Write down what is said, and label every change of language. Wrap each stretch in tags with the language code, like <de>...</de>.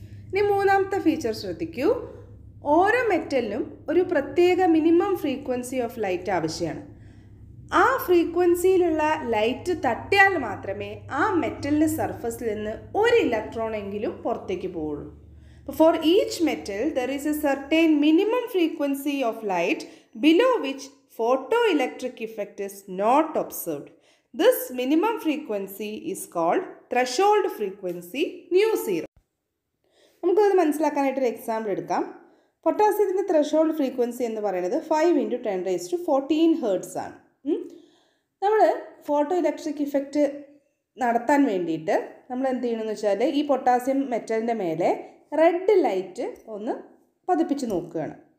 <ml>ഇനി മൂന്നാമത്തെ ഫീച്ചർ ശ്രദ്ധിക്കൂ. ഓരോ മെറ്റലിനും ഒരു പ്രത്യേക മിനിമം ഫ്രീക്വൻസി ഓഫ് ലൈറ്റ് ആവശ്യമാണ്. ആ ഫ്രീക്വൻസിയിലുള്ള ലൈറ്റ് തട്ടിയാൽ മാത്രമേ ആ മെറ്റലിൻ്റെ സർഫസിൽ നിന്ന് ഒരു ഇലക്ട്രോണെങ്കിലും പുറത്തേക്ക് പോകുള്ളൂ.</ml> <en>For each metal, there is a certain minimum frequency of light below which photoelectric effect is not observed. This minimum frequency is called threshold frequency nu zero.</en> <ml>നമുക്ക് ഇത് മനസ്സിലാക്കാനായിട്ട് ഒരു എക്സാമ്പിൾ എടുക്കാം. പൊട്ടാസ്യത്തിൻ്റെ ത്രെഷോൾഡ് ഫ്രീക്വൻസി എന്ന് പറയുന്നത് 5 × 10⁴ ആണ്. നമ്മൾ ഫോട്ടോ ഇലക്ട്രിക് ഇഫക്റ്റ് നടത്താൻ വേണ്ടിയിട്ട് നമ്മൾ എന്ത് ചെയ്യണമെന്ന് വെച്ചാൽ, ഈ പൊട്ടാസ്യം മെറ്റലിൻ്റെ മേലെ റെഡ് ലൈറ്റ് ഒന്ന് പതിപ്പിച്ച് നോക്കുകയാണ്.</ml>